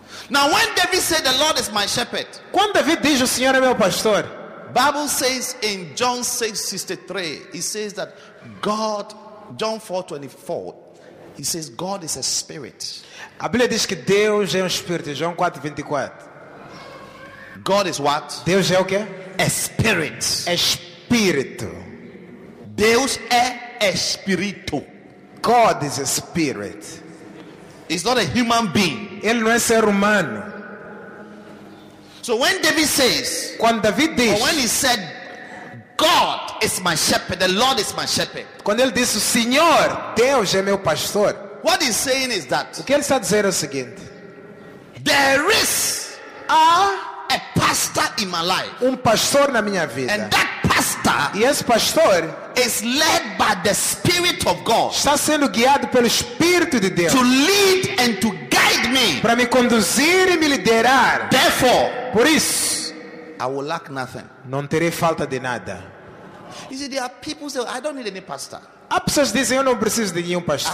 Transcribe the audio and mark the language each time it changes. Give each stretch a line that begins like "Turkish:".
English: Now when David said the Lord is my shepherd,
Portuguese: quando David diz o Senhor é meu pastor,
English: Bible says in John 6:63, it says that God, John 4:24, he says God is a spirit.
Portuguese: A Bíblia diz que Deus é espírito. João 4:24.
English: God is what?
Portuguese: Deus é o quê?
English: A spirit.
Portuguese: Espírito. Deus é espírito.
English: God is a spirit. He's not a human being.
Portuguese: Ele não é ser humano.
English: So when David says,
Portuguese: quando David diz,
English: or when he said, God is my shepherd, the Lord is my shepherd.
Portuguese: Quando ele disse, Senhor, Deus é meu pastor.
English: What he's saying is that.
Portuguese: O que ele está dizendo é o seguinte.
English: There is a pastor in my life.
Portuguese: Pastor na minha vida.
English: And that pastor, yes, pastor, is led by the Spirit of God.
Portuguese: Está sendo guiado pelo Espírito de Deus.
English: To lead and to guide me.
Portuguese: Para me conduzir e me liderar.
English: Therefore,
Portuguese: por isso,
English: I will lack nothing.
Portuguese: Não terei falta de nada.
English: You see, there are people who say, I don't need any pastor.
Portuguese: Há pessoas que dizem, eu não preciso de nenhum pastor.